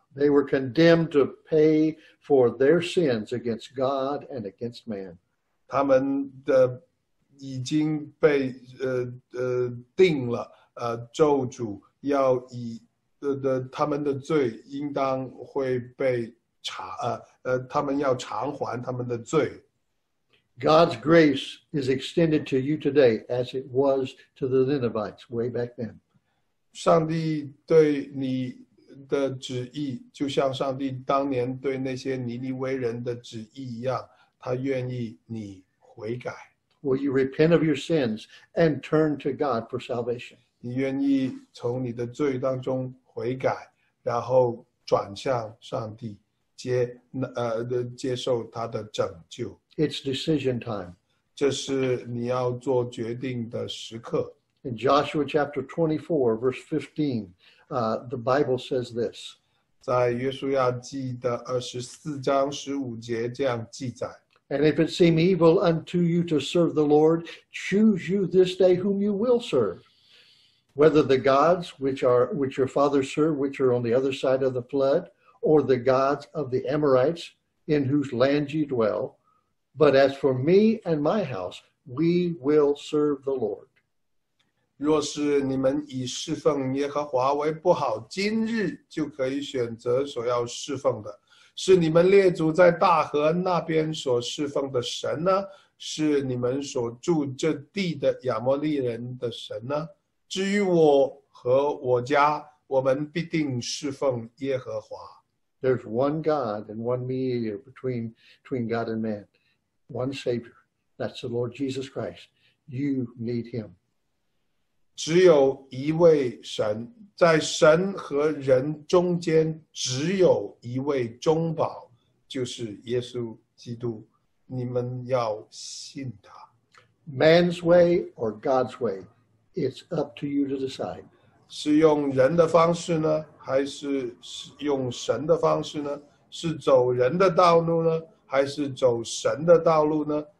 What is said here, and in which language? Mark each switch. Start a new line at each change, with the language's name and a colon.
English: They were condemned to pay for their sins against God and against man.
Chinese: 他们的已经被定了，咒诅要以他们的罪应当会被他们要偿还他们的罪。
English: God's grace is extended to you today as it was to the Ninevites way back then.
Chinese: 上帝对你的旨意，就像上帝当年对那些尼尼微人的旨意一样，他愿意你悔改。
English: Will you repent of your sins and turn to God for salvation?
Chinese: 你愿意从你的罪当中悔改，然后转向上帝，接受他的拯救。
English: It's decision time.
Chinese: 这是你要做决定的时刻。
English: In Joshua chapter 24, verse 15, the Bible says this.
Chinese: 在约书亚记的24章15节这样记载。
English: And if it seem evil unto you to serve the Lord, choose you this day whom you will serve, whether the gods which your fathers served, which are on the other side of the flood, or the gods of the Amorites in whose land you dwell. But as for me and my house, we will serve the Lord.
Chinese: 若是你们以侍奉耶和华为不好，今日就可以选择所要侍奉的。是你们列祖在大河那边所侍奉的神呢？是你们所住这地的亚摩利人的神呢？至于我和我家，我们必定侍奉耶和华。
English: There's one God and one mediator between God and man, one Savior. That's the Lord Jesus Christ. You need Him.
Chinese: 只有一位神。在神和人中间只有一位中保，就是耶稣基督，你们要信他。
English: Man's way or God's way, it's up to you to decide.
Chinese: 是用人的方式呢，还是用神的方式呢？是走人的道路呢，还是走神的道路呢？